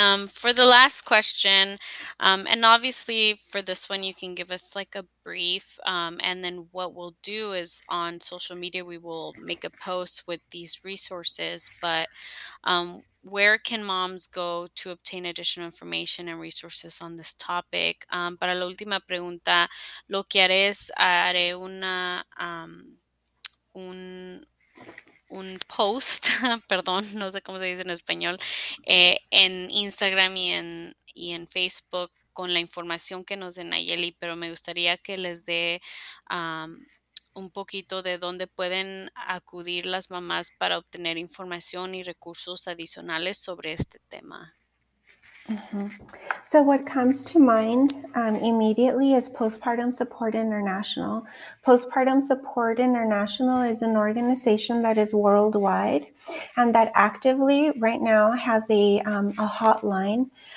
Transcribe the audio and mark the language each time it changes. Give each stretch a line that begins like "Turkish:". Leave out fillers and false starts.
English: For the last question, and obviously for this one, you can give us like a brief, and then what we'll do is on social media, we will make a post with these resources, but where can moms go to obtain additional information and resources on this topic?
Spanish: Para la última pregunta, lo que haré es, haré una, un post, perdón, no sé cómo se dice en español, en Instagram y en Facebook con la información que nos dé Nayeli, pero me gustaría que les dé un poquito de dónde pueden acudir las mamás para obtener información y recursos adicionales sobre este tema. Mm-hmm.
English: So what comes to mind immediately is Postpartum Support International. Postpartum Support International is an organization that is worldwide and that actively right now has a hotline.